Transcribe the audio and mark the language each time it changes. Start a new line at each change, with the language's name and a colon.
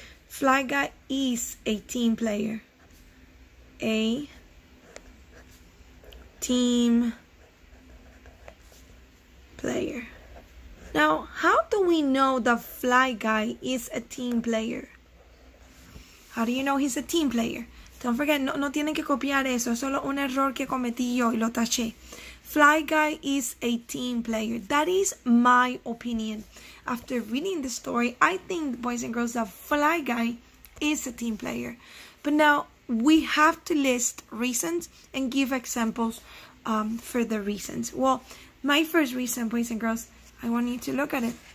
English: Fly guy is a team player. A team player. Now, how do we know the fly guy is a team player? How do you know he's a team player? Don't forget,
Spanish: no tienen que copiar eso. Es solo un error que cometí yo y lo taché.
English: Fly guy is a team player. That is my opinion. After reading the story, I think, boys and girls, that fly guy is a team player. But now, we have to list reasons and give examples for the reasons. Well, my first reason, boys and girls, I want you to look at it.